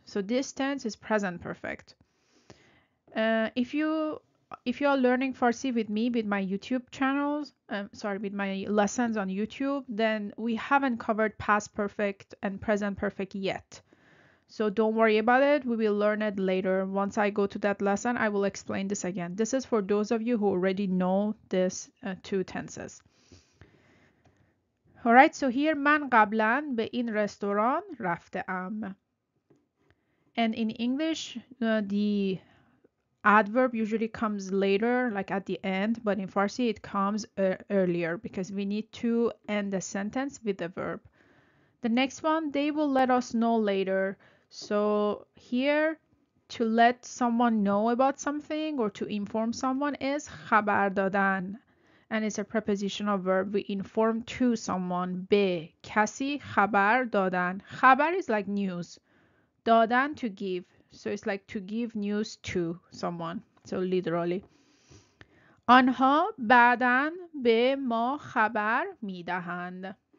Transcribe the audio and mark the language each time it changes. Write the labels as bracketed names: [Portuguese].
[English] So this tense is present perfect. If you are learning Farsi with me, with my YouTube channels, with my lessons on YouTube, then we haven't covered past perfect and present perfect yet. So don't worry about it. We will learn it later. Once I go to that lesson, I will explain this again. This is for those of you who already know this two tenses. Alright, so here [Persian] من قبلن به این رستوران رفته ام. [English] And in English, the adverb usually comes later, like at the end. But in Farsi, it comes earlier because we need to end the sentence with the verb. The next one, they will let us know later. So here, to let someone know about something or to inform someone is خبر دادن. And it's a prepositional verb. We inform to someone. [Persian] به کسی خبر دادن. خبر [English] is like news. [Persian] دادن [English] to give. So it's like to give news to someone. So literally. [Persian] آنها بعدن به ما خبر می دهند.